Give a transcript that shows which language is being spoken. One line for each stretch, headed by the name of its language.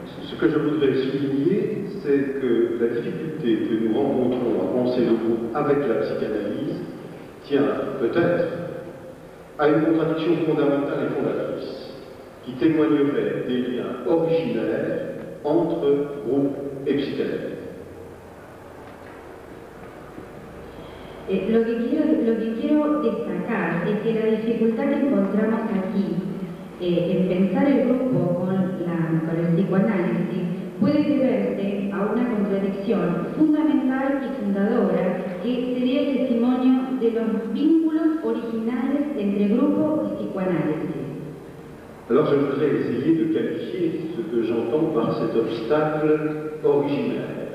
French: Ce que je voudrais souligner, c'est que la difficulté que nous rencontrons à penser le groupe avec la psychanalyse tient peut-être à une contradiction fondamentale et fondatrice qui témoignerait des liens originaires entre groupe et psychanalyse.
Spanish: Lo que quiero destacar es que la dificultad que encontramos aquí en pensar el grupo con el psicoanálisis puede deberse a una contradicción fundamental y fundadora que sería el testimonio de los vínculos originales entre grupo y psicoanálisis.
French: Alors je voudrais essayer de qualifier ce que j'entends par cet obstacle originaire.